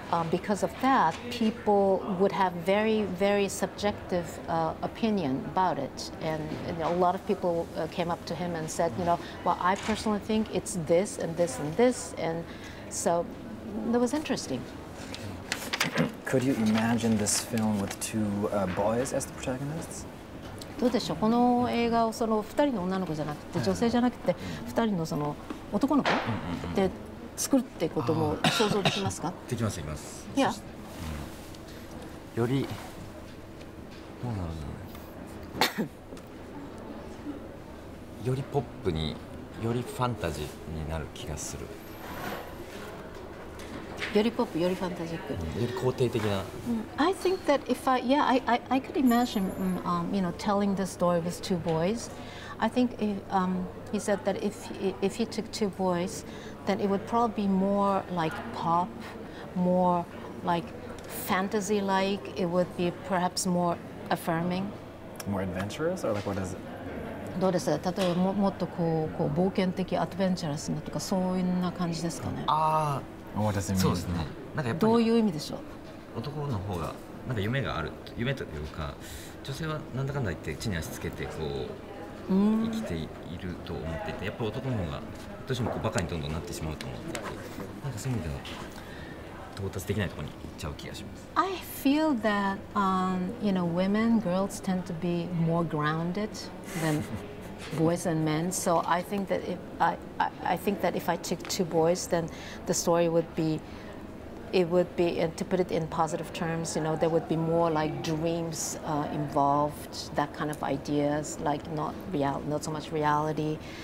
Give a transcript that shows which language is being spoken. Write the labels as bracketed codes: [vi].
[en] Because of that, people would have very, very subjective opinion about it. And a lot of people came up to him and said, you know, well, I personally think it's this and this and this. And so that was interesting. Could you imagine this film with two boys as the protagonists? [ja] どうでしょう、この映画をその2人の女の子じゃなくて、女性じゃなくて、2人のその男の子で作るってことも想像できますか？できます、できます。いや。より、どうなるんだろう。よりポップに、よりファンタジーになる気がする。よりポップ、よりファンタジック、より肯定的な。 [en] I think that if I, yeah, I could imagine, you know, telling the story with two boys. I think if, he said that if he took two boys, then it would probably be more like pop, more like fantasy-like. It would be perhaps more affirming. More adventurous, or like what is it? [ja] どうです？例えばもっとこう冒険的、アドベンチャラスなとかそういう感じですかね？ああ。 [en] What does it mean? [ja] そうですね。なんかやっぱりどういう意味でしょう。男の方がなんか夢がある、夢というか、女性はなんだかんだ言って地に足つけてこう生きていると思っていて、やっぱり男の方がどうしてもこうバカにどんどんなってしまうと思って、なんかそういう意味では到達できないところに行っちゃう気がします。 [en] I feel that you know, women, girls tend to be more grounded than boys and men, so I think that if I think that if I took two boys, then the story would be, it would be, and to put it in positive terms, you know, there would be more like dreams involved, that kind of ideas, like not real, not so much reality.